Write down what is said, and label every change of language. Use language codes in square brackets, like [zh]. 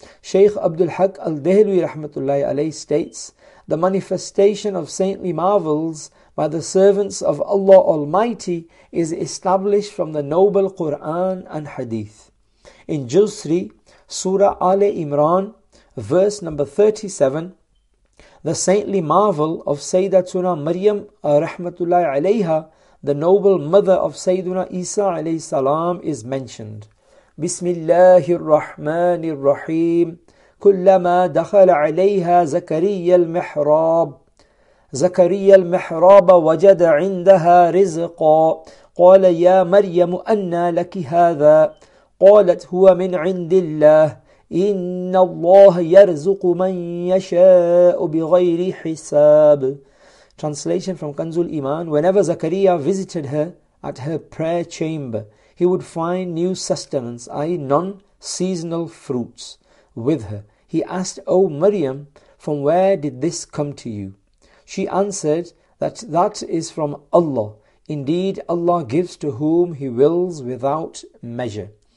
[en] Shaykh Abdul Haq al-Dehlwi rahmatullahi alayh states, "The manifestation of saintly marvels by the servants of Allah Almighty is established from the noble Qur'an and Hadith." In Juz 3, Surah Ali Imran, verse number 37, the saintly marvel of Sayyidatuna Maryam rahmatullahi alayha, the noble mother of Sayyiduna Isa alayhi salam, is mentioned. [ar] بسم الله الرحمن الرحيم كلما دخل عليها زكريا المحراب زكريا المحراب وجد عندها رزقا قال يا مريم أنى لك هذا قالت هو من عند الله إن الله يرزق من يشاء بغير حساب. [en] Translation from Kanzul Iman. Whenever Zakaria visited her at her prayer chamber, he would find new sustenance, i.e. non-seasonal fruits, with her. He asked, "O Maryam, from where did this come to you?" She answered, that is from Allah. Indeed, Allah gives to whom He wills without measure."